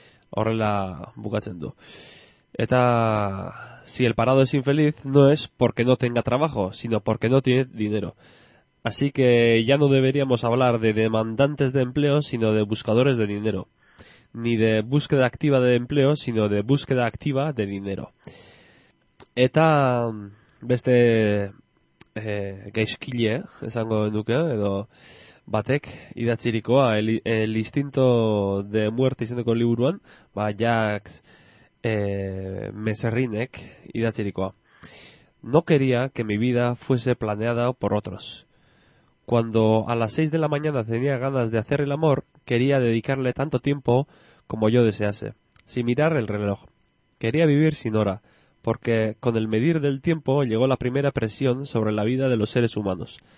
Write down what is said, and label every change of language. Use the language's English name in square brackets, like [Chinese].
[Basque] Horrela bukatzen du. Eta, [Spanish] si el parado es infeliz, no es porque no tenga trabajo, sino porque no tiene dinero. Así que ya no deberíamos hablar de demandantes de empleo, sino de buscadores de dinero. Ni de búsqueda activa de empleo, sino de búsqueda activa de dinero. [Basque] Eta beste gaizkile, esango duke, edo batek, idatzirikoa, el instinto de muerte izendeko liburuan, ba, Jack Messerinek idatzirikoa. [Spanish] No quería que mi vida fuese planeada por otros. Cuando a las 6 de la mañana tenía ganas de hacer el amor, quería dedicarle tanto tiempo como yo desease, sin mirar el reloj. Quería vivir sin hora, porque con el medir del tiempo llegó la primera presión sobre la vida de los seres humanos.